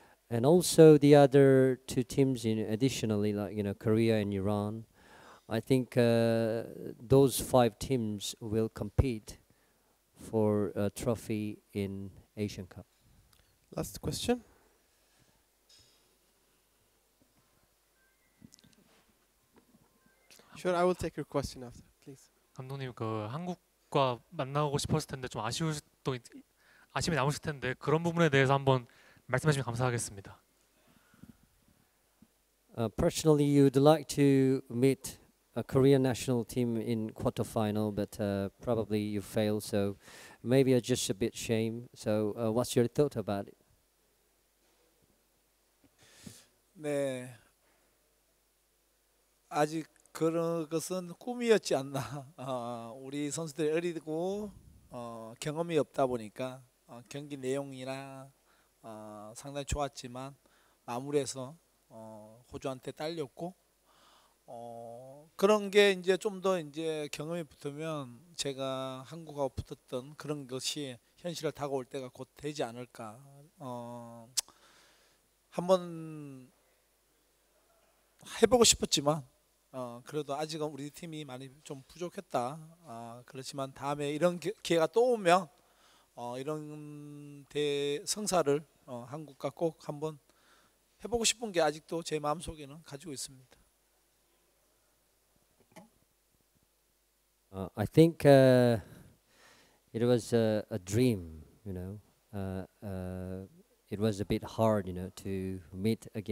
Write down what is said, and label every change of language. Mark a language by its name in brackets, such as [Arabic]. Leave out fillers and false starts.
[English] And also the other two teams, in additionally, like, you know, Korea and Iran, I think those five teams will compete for a trophy in Asian Cup. Last question. Sure, I will take your question after, please. [Korean] 감독님, 그 한국과 만나고 싶었을 텐데 좀 아쉬움이 남으실 텐데 그런 부분에 대해서 한번 말씀해 주시면 감사하겠습니다. [English] Personally, you'd like to meet a Korean national team in quarterfinal, but probably you failed, so maybe it's just a bit shame. So what's your thought about it? [Korean] 네, 아직 그런 것은 꿈이었지 않나. 우리 선수들이 어리고 경험이 없다 보니까 경기 내용이나 상당히 좋았지만 마무리해서 호주한테 딸렸고 그런 게 이제 좀 더 이제 경험이 붙으면 제가 한국하고 붙었던 그런 것이 현실을 다가올 때가 곧 되지 않을까. 한번 해보고 싶었지만 그래도 아직은 우리 팀이 많이 좀 부족했다. 그렇지만 다음에 이런 기회가 또 오면 이런 대성사를 한국과 꼭 한번 해보고 싶은 게 아직도 제 마음속에는 가지고 있습니다. [English] I think it was a dream, you know. It was a bit hard, you know, to meet